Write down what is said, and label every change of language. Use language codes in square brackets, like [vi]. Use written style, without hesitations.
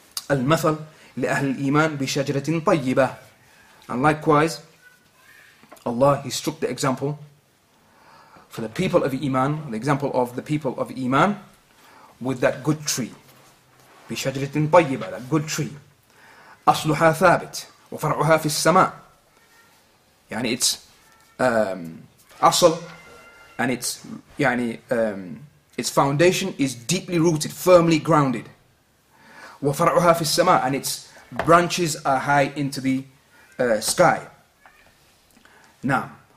[ar] المثل لأهل الإيمان بشجرة طيبة. [en] And likewise, Allah, He struck the example for the people of Iman, the example of the people of Iman, with that good tree. [ar] بشجرة طيبة, [en] that good tree. [ar] أصلها ثابت وفرعها في السماء. يعني [en] it's أصل, and it's يعني its foundation is deeply rooted, firmly grounded. [ar] وفرعها في السماء, [en] and its branches are high into the sky. [ar] نعم.